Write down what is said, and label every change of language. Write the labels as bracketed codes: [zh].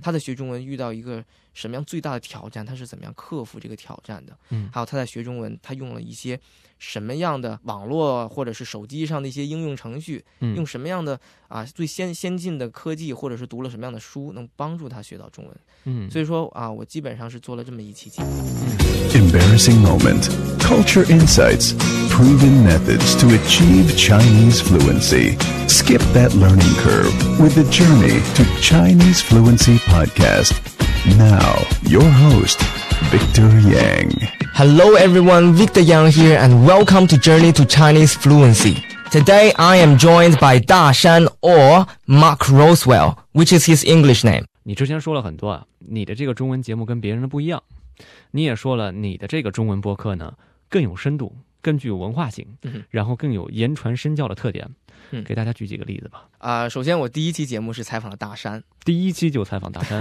[zh] 他在学中文遇到一个什么样最大的挑战，他是怎么样克服这个挑战的，嗯，还有他在学中文他用了一些什么样的网络或者是手机上的一些应用程序，嗯，用什么样的啊最先进的科技，或者是读了什么样的书能帮助他学到中文，嗯，所以说啊，我基本上是做了这么一期节目。 [en] Embarrassing moment, culture insights, proven methods to achieve Chinese fluency. Skip that learning curve with the Journey to Chinese Fluency podcast. Now, your host, Victor Yang. Hello everyone, Victor Yang here, and welcome to Journey to Chinese Fluency. Today, I am joined by 大山 or Mark Roswell, which is his English name. [zh] 你之前说了很多啊，你的这个中文节目跟别人的不一样。你也说了你的这个中文播客呢，更有深度，更具有文化性，然后更有言传身教的特点。给大家举几个例子吧。首先我第一期节目是采访了大山。第一期就采访大山。